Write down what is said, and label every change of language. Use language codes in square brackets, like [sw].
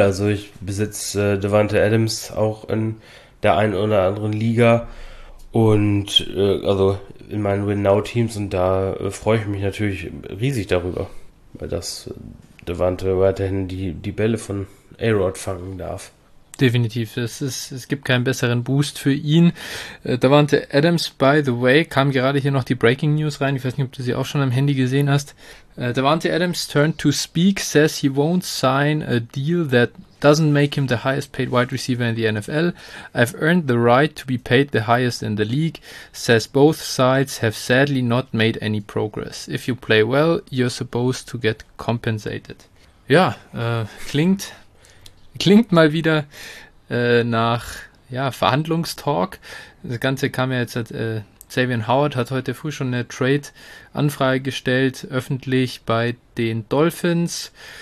[de] Also ich besitze Devante Adams auch in der einen oder anderen Liga und also in meinen Win-Now-Teams und da freue ich mich natürlich riesig darüber, weil das Devante weiterhin die Bälle von A-Rod fangen darf. Definitiv. Es gibt keinen besseren Boost für ihn. Devante Adams, [en] by the way, [de] kam gerade hier noch die Breaking News rein. Ich weiß nicht, ob du sie auch schon am Handy gesehen hast. [en] Devante Adams turned to speak, says he won't sign a deal that doesn't make him the highest paid wide receiver in the NFL. I've earned the right to be paid the highest in the league, says both sides have sadly not made any progress. If you play well, you're supposed to get compensated. [de] Ja, klingt mal wieder nach ja, Verhandlungstalk. Das Ganze kam ja jetzt, Xavier Howard hat heute früh schon eine Trade-Anfrage gestellt, öffentlich bei den Dolphins.